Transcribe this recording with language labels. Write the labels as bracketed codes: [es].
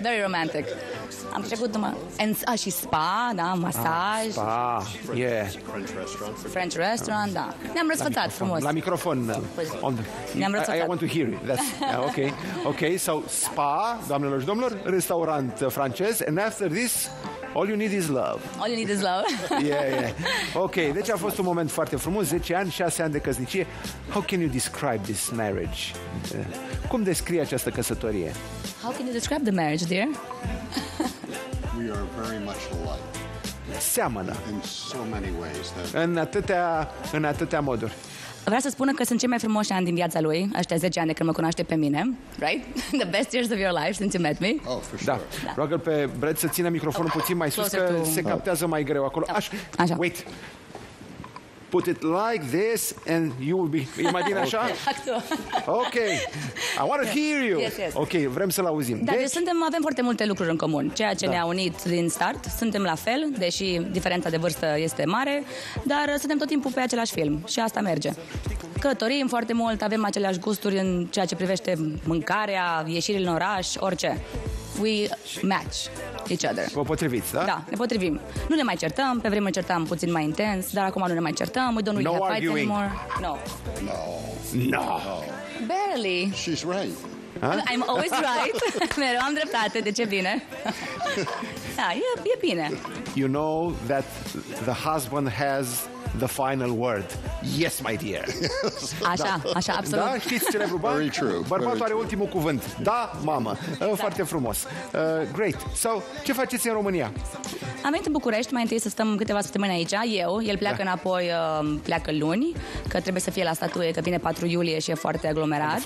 [en] Very romantic. [ro] Am trecut numai... și spa, da, masaj. [en] Spa, yeah. French restaurant, [ro] da. Ne-am răsfățat. Frumos. La microfon. [en] I want to hear it. That's, ok, so spa, [ro] doamnelor și domnilor, restaurant francez. [en] And after this, all you need is love. All you need is love. Yeah. [ro] Ok, deci a fost un moment foarte frumos. 10 ani, 6 ani de căsnicie. [en] How can you describe this marriage? [ro] Cum descrie această căsătorie? [en] How can you describe the marriage, dear? We are very much alike. [ro] Seamănă. [en] In so many ways that... [ro] în atâtea moduri. Vreau să spună că sunt cei mai frumoși ani din viața lui, ăștia 10 ani de când mă cunoaște pe mine, [en] right? The best years of your life since you met me. Oh, for sure. [ro] Da. Da. Roagă-l pe Brad să țină microfonul puțin mai sus, că se captează mai greu acolo. Așa. [en] Wait. Put it like this and you will be... [ro] E mai bine așa? [en] Ok. I want to hear you. Yes. [ro] Ok, vrem să-l auzim. Da, deci avem foarte multe lucruri în comun. Ceea ce ne-a unit din start. Suntem la fel, deși diferența de vârstă este mare, dar suntem tot timpul pe același film și asta merge. Cătorim foarte mult, avem aceleași gusturi în ceea ce privește mâncarea, ieșirile în oraș, orice. [en] We match each other. [ro] Vă potriviți, da? Da, ne potrivim. Nu ne mai certăm, pe vreme certam puțin mai intens, dar acum nu ne mai certăm. [en] We don't really have fights anymore. No. Barely. She's right. [ro] Huh? [en] I'm always right. [ro] Mereu am dreptate, deci e bine. Da, e bine. [en] You know that the husband has the final word. Yes, my dear. [ro] Așa, absolut. Da, știți celebrul bărbat? [en] Very true. [ro] Bărbatul are ultimul cuvânt. Da, mamă. Foarte frumos. [en] Great. So, [ro] ce faceți în România? Am venit în București, mai întâi să stăm câteva săptămâni aici, eu. El pleacă înapoi, pleacă luni, că trebuie să fie la statuie, că vine 4 iulie și e foarte aglomerat.